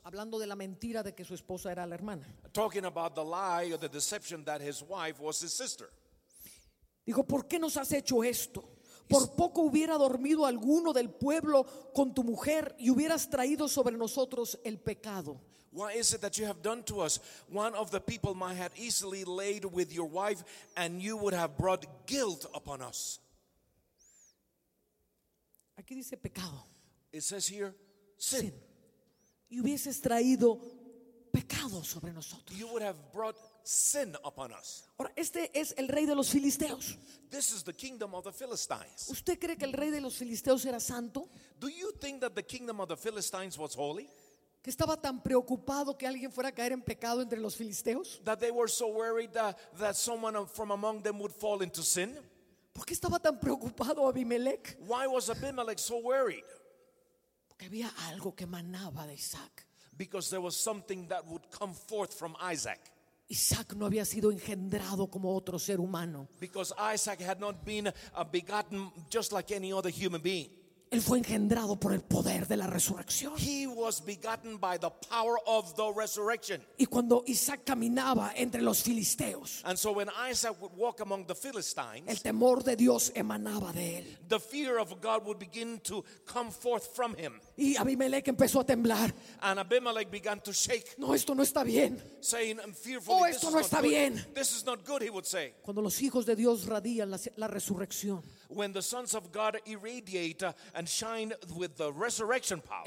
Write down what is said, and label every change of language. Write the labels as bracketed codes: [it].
[es] Hablando de la mentira de que su esposa era la hermana. [en] Talking about the lie or the deception that his wife was his sister. [es] Dijo, ¿por qué nos has hecho esto? Por poco hubiera dormido alguno del pueblo con tu mujer y hubieras traído sobre nosotros el pecado. [en] Why is it that you have done to us? One of the people might have easily laid with your wife and you would have brought guilt upon us. [es] Aquí dice pecado. [en] It says here sin. Sin. [es] Y hubieses traído pecado sobre nosotros. [en] You would have brought sin upon us. [es] Ahora, este es el rey de los filisteos. [en] This is the kingdom of the Philistines. [es] ¿Usted cree que el rey de los filisteos era santo? [en] Do you think that the kingdom of the Philistines was holy? [es] ¿Que estaba tan preocupado que alguien fuera a caer en pecado entre los filisteos? [en] That they were so worried that someone from among them would fall into sin? [es] ¿Por qué estaba tan preocupado Abimelec? [en] Why was Abimelech so worried? [es] Porque había algo que emanaba de Isaac. [en] Because there was something that would come forth from Isaac. [es] Isaac no había sido engendrado como otro ser humano. [en] Because Isaac had not been begotten just like any other human being. [es] Él fue engendrado por el poder de la resurrección. [en] He was begotten by the power of the resurrection. [es] Y cuando Isaac caminaba entre los filisteos, [en] and so when Isaac would walk among the Philistines, [es] el temor de Dios emanaba de él. [en] The fear of God would begin to come forth from him. [es] Y Abimelec empezó a temblar. [en] And Abimelech began to shake. [es] No, esto no está bien. [en] Saying fearfully, [es] oh, esto no está bien. [en] This is not good, he would say. [es] Cuando los hijos de Dios radian la resurrección, [en] when the sons of God irradiate and shine with the resurrection power,